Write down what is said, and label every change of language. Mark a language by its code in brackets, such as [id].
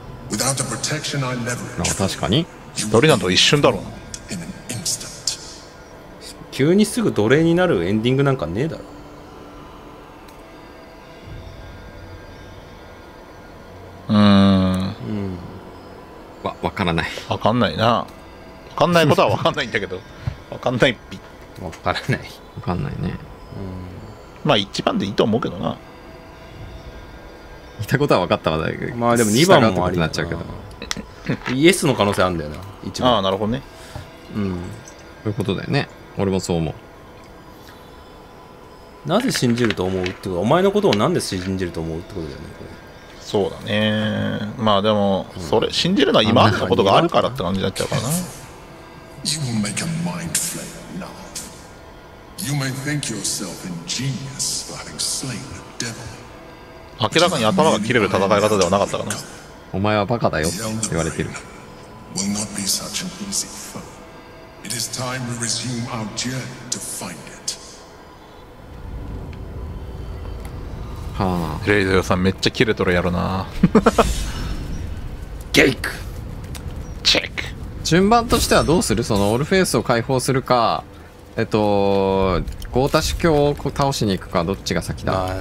[en] Without the protection I leverage, you will be destroyed in an instant. [ja] 急にすぐ奴隷になるエンディングなんかねえだろ。わからない。わかんないな。わかんないことはわかんないんだけど。わかんないっぴ。わからない。わかんないね。まあ一番でいいと思うけどな。言ったことは分かったわ。だけど、まあでも2番もありなっちゃうけど、イエスの可能性あるんだよな、1番。ああ、なるほどね。うん、そういうことだよね。俺もそう思う。なぜ信じると思うってこと、お前のことをなんで信じると思うってことだよね。そうだね。まあでもそれ信じるのは今のことがあるからって感じになっちゃうかな。 [en] You make a mind flayer now. You may think yourself ingenious for having slain the devil. [ja] 明らかに頭が切れる戦い方ではなかったかな。お前はバカだよって言われてる。 [en] Will not be such an easy foe. It is time we resume our journey to find it. はあ。 [ja] レイゼルさんめっちゃ切れとるやろな。ゲイク。チェック。順番としてはどうする？そのオルフェウスを解放するか、ゴータ司教を倒しに行くか、どっちが先だ。